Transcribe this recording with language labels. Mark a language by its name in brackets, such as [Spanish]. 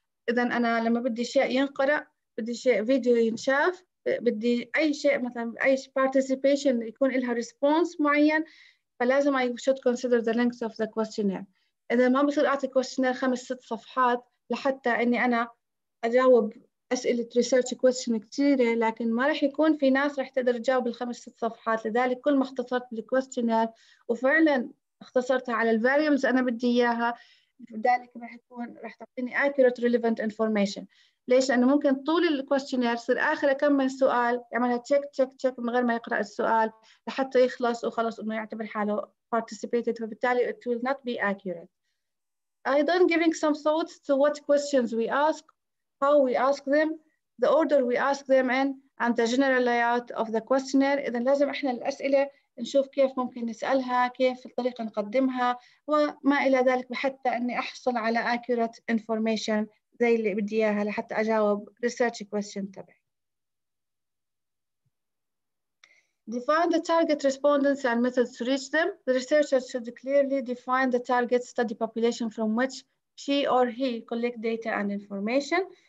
[Arabic] إذا أنا لما بدي شيء ينقرأ بدي شيء فيديو ينشاف بدي أي شيء مثلا أي participation يكون لها response معين فلازم [English] I should consider the length of the questionnaire [Arabic] إذا ما بصير أعطي questionnaire 5-6 صفحات لحتى إني أنا أجاوب أسئلة [English] research question [Arabic] كثيرة لكن ما رح يكون في ناس رح تقدر تجاوب الـ5-6 صفحات لذلك كل ما اختصرت الـ questionnaire وفعلا اختصرتها على الـ variables أنا بدي إياها ذلك راح يكون راح تعطيني [English] accurate relevant information. [Arabic] ليش؟ لأنه ممكن طول ال questionnaire يصير آخر كم من سؤال يعملها [English] check check check [Arabic] من غير ما يقرأ السؤال لحتى يخلص وخلص إنه يعتبر حاله participated، فبالتالي [English] it will not be accurate. [Arabic] أيضا [English] giving some thoughts to what questions we ask, how we ask them, the order we ask them in, and the general layout of the questionnaire. [Arabic] إذا لازم إحنا الأسئلة نشوف كيف ممكن نسألها، كيف الطريقة نقدمها وما إلى ذلك، حتى أني أحصل على [English] accurate information [Arabic] زي اللي بدي إياها لحتى أجاوب [English] research question [Arabic] تبعي. [English] Define the target respondents and methods to reach them. The researcher should clearly define the target study population from which she or he collect data and information.